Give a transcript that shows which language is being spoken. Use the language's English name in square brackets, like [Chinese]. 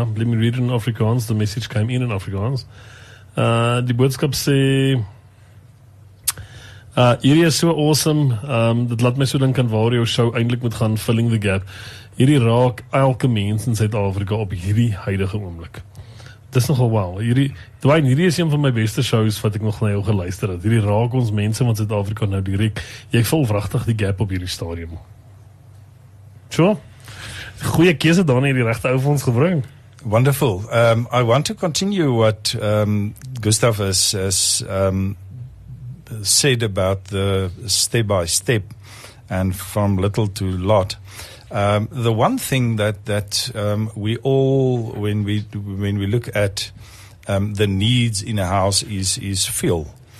[English] Let me read it in Afrikaans. [Afrikaans] The message came in Afrikaans. Die boodskap sê, hierdie is so awesome, dit laat my so dink aan waar jou show eindelijk moet gaan, [English] filling the gap. [Afrikaans] Hierdie raak elke mens in Suid-Afrika op hierdie huidige oomblik. Dit is nogal wow. Hierdie is een van my beste shows wat ek nog na jou geluister het. Hierdie raak ons mense van Suid-Afrika nou direct. Jy vul wrachtig die gap op hierdie stadium. So, goeie keuse dan hierdie regte ou vir ons gebring. [English] Wonderful. I want to continue what Gustav has said about the step by step and from little to lot. The one thing that we all, when we look at the needs in a house, is fuel.